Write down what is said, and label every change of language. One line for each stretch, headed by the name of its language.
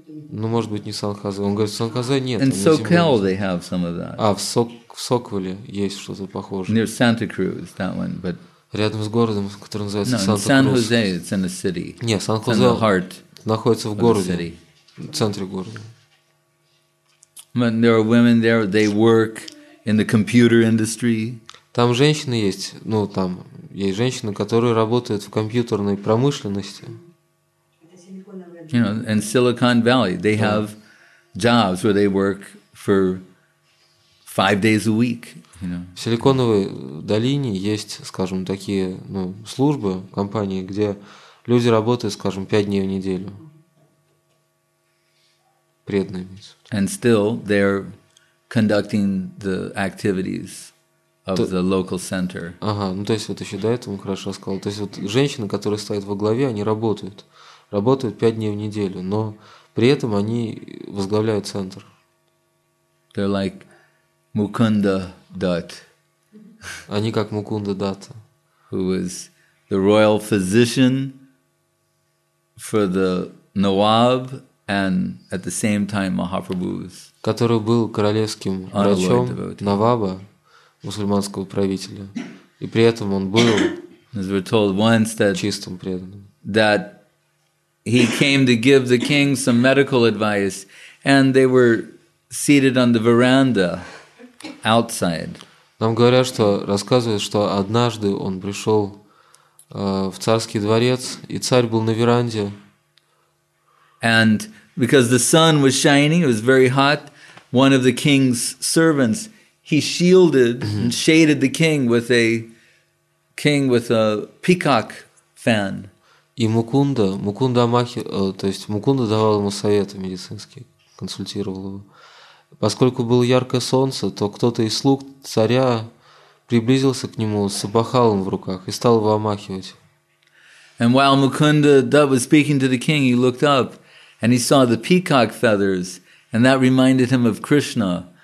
Russian: Ну, может быть, не Сан-Хозе. Он говорит, Сан-Хозе нет.
English: In SoCal they have some of that.
Russian: А, в Соквеле есть что-то похожее.
English: Near Santa Cruz, that one, but...
Russian: Рядом с городом, который называется
English: no,
Russian: Санта-Крус.
English: No, San Jose, it's in a city.
Russian: Не, Сан-Хозе находится в городе. В центре города.
English: But there are women there, they work in the computer industry.
Russian: Там женщины есть, ну, там... Есть женщины, которые работают в компьютерной промышленности.
English: You know, in Silicon Valley, they have jobs where they work for 5 days a week. You know.
Russian: В Силиконовой долине есть, скажем, такие, ну, службы, компании, где люди работают, скажем, 5 дней в неделю. Преданные.
English: And still they're conducting the activities. Of the local center.
Russian: Ага, ну то есть вот еще до этого он хорошо сказал. То есть вот женщины, которые стоят во главе, они работают. Работают 5 дней в неделю, но при этом они возглавляют центр.
English: They're like Mukunda Dutt.
Russian: Они как Мукунда Датта.
English: Who was the royal physician for the Nawab and at the same time Mahaprabhu's.
Russian: Который был королевским врачом Наваба. Мусульманского правителя. И при этом он был чистым преданным.
English: That he came to give the king some medical advice, and they were seated on the veranda outside.
Russian: Нам говорят, что рассказывают, что однажды он пришел в царский дворец, и царь был на веранде.
English: And because the sun was shining, it was very hot, one of the king's servants he shielded and shaded the king with a peacock fan.
Russian: И Мукунда Махи, то есть Мукунда давал ему советы медицинские, консультировал его. Поскольку было яркое солнце, то кто-то из слуг царя приблизился к нему с опахалом в руках и стал его омахивать.
English: And while Mukunda Dutt was speaking to the king, he looked up and he saw the peacock feathers, and that reminded him of Krishna.